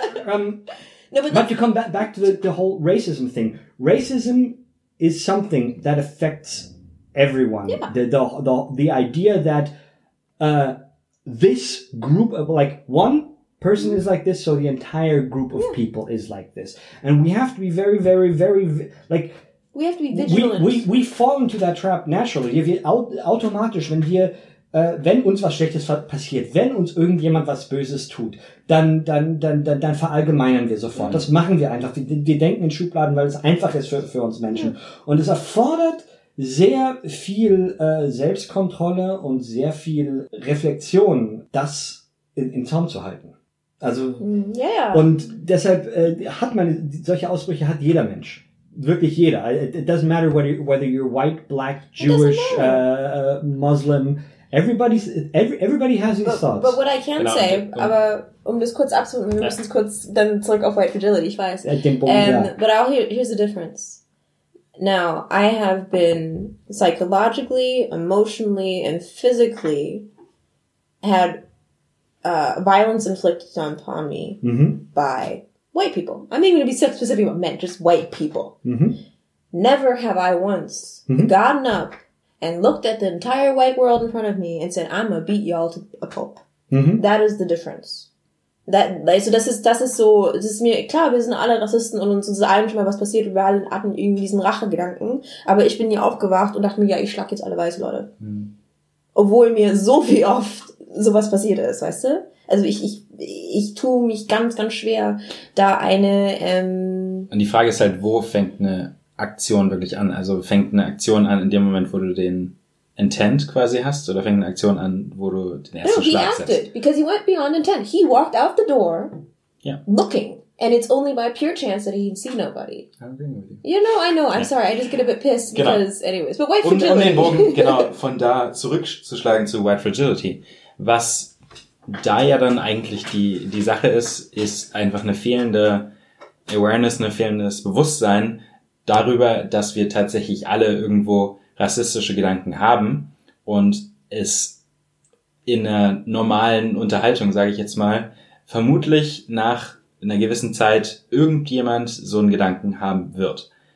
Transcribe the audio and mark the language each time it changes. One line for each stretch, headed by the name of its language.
English: but to come back to the whole racism thing, racism is something that affects everyone. Yeah. The idea that this group of, like, one person is like this, so the entire group of people is like this. And we have to be very, very, very, like... We have to be vigilant. We fall into that trap naturally.
German: Wir automatisch, wenn wir, wenn uns was Schlechtes passiert, wenn uns irgendjemand was Böses tut, dann verallgemeinern wir sofort. Mhm. Das machen wir einfach. Wir denken in Schubladen, weil es einfach ist für uns Menschen. Mhm. Und es erfordert sehr viel Selbstkontrolle und sehr viel Reflexion, das in Zaum zu halten. Also,
English: yeah.
German: Und deshalb hat man solche Ausbrüche, hat jeder Mensch. Wirklich jeder.
English: It doesn't matter whether you're white, black, Jewish, Muslim. Everybody has these thoughts. But what I can say,
German: aber um das kurz abzuhören, wir müssen kurz dann zurück auf White Fragility, ich weiß.
English: But here's the difference. Now, I have been psychologically, emotionally, and physically had violence inflicted upon me by white people. I'm even going to be specific about men, just white people. Mm-hmm. Never have I once gotten up and looked at the entire white world in front of me and said, I'm going to beat y'all to a pulp. Mm-hmm. That is the difference.
German: Das ist so, es ist mir klar, wir sind alle Rassisten und uns ist allen schon mal was passiert und wir alle hatten irgendwie diesen Rachegedanken. Aber ich bin hier aufgewacht und dachte mir, ja, ich schlag jetzt alle weiße Leute. Mhm. Obwohl mir so viel oft sowas passiert ist, weißt du? Also ich tue mich ganz, ganz schwer, da eine... Und die Frage ist halt, wo fängt eine Aktion wirklich an? Also fängt eine Aktion an in dem Moment, wo du den Intent quasi hast, oder fängt eine Aktion an, wo du den ersten Schlag setzt?
English: No, he acted, because he went beyond intent. He walked out the door, looking, and it's only by pure chance that he'd see nobody. I know, I'm sorry, I just get a bit pissed, because anyways, but White Fragility.
German: Um den Bogen, genau, von da zurückzuschlagen zu White Fragility. Was da ja dann eigentlich die Sache ist, ist einfach eine fehlende Awareness, ein fehlendes Bewusstsein darüber, dass wir tatsächlich alle irgendwo rassistische Gedanken haben und es in einer normalen Unterhaltung, sage ich jetzt mal, vermutlich nach einer gewissen Zeit irgendjemand so einen Gedanken haben wird.